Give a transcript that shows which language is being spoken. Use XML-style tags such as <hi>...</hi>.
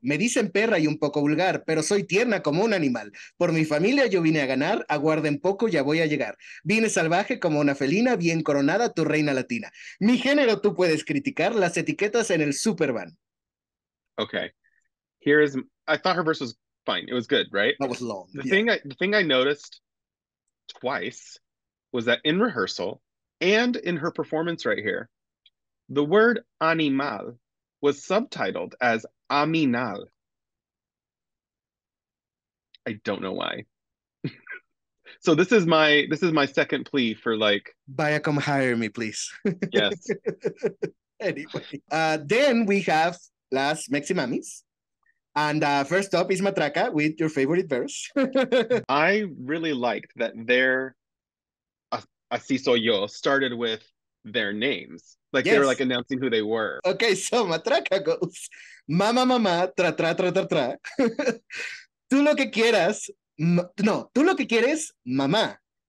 <es>Me dicen perra y un poco vulgar, pero soy tierna como un animal. Por mi familia yo vine a ganar, aguarden poco, ya voy a llegar. Vine salvaje como una felina, bien coronada, tu reina latina. Mi género tú puedes criticar, las etiquetas en el Superman.</es> <en>Okay, I thought her verse was fine. It was good, right? That was long. The thing I noticed twice was that in rehearsal and in her performance right here, the word animal was subtitled as aminal. I don't know why. So this is my second plea for like, Baya, come hire me, please. Yes. Anyway, then we have Las Mexi Mamis. And first up is Matraka with your favorite verse. I really liked that their Así Soy Yo started with their names. Like, yes. They were like announcing who they were. Okay, so Matraka goes, mama, mama, tra, tra, tra, tra, tra.</en> <es>Tú lo que quieras, tú lo que quieres, mamá.</es>